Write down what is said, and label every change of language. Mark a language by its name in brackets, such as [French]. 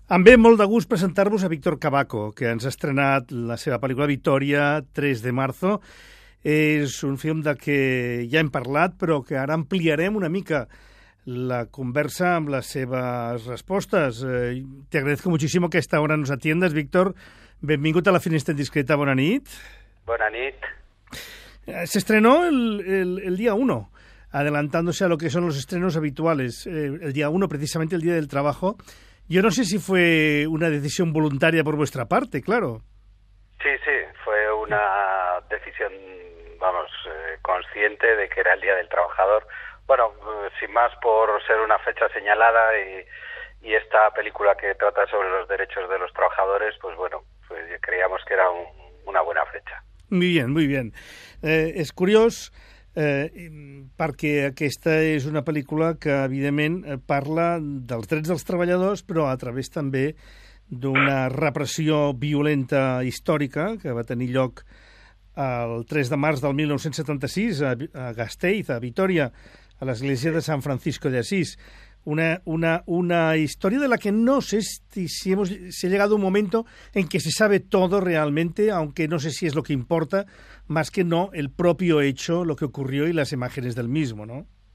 [Catalan] Em ve molt de gust presentar-vos a Víctor Cavaco, que ens ha estrenat la seva pel·lícula Victòria, 3 de marzo. És un film de què ja hem parlat, però que ara ampliarem una mica la conversa amb les seves respostes. [Spanish] Te agradezco muchísimo que a esta hora nos atiendas, Víctor. [Catalan] Benvingut a La Finestra Indiscreta, bona nit. Bona nit. [Spanish] Se estrenó el día 1, adelantándose a lo que son los estrenos habituales. El día 1, precisamente el día del trabajo. Yo no sé si fue una decisión voluntaria por vuestra parte, claro. Sí, sí, fue una decisión, vamos, consciente de que era el Día del Trabajador. Bueno, sin más, por ser una fecha señalada y esta película que trata sobre los derechos de los trabajadores, pues bueno, pues creíamos que era una buena fecha. Muy bien, muy bien. Es curioso. [Catalan] Perquè aquesta és una pel·lícula que, evidentment, parla dels drets dels treballadors, però a través també d'una repressió violenta històrica que va tenir lloc el 3 de març del 1976 a Gasteiz, a Vitoria, a l'església de San Francisco de Assís. Una història de la que no sé si ha llegat un moment en què [Spanish] se sabe todo realment, aunque no sé si és lo que importa, más que no el propio hecho, lo que ocurrió y las imágenes del mismo, ¿no?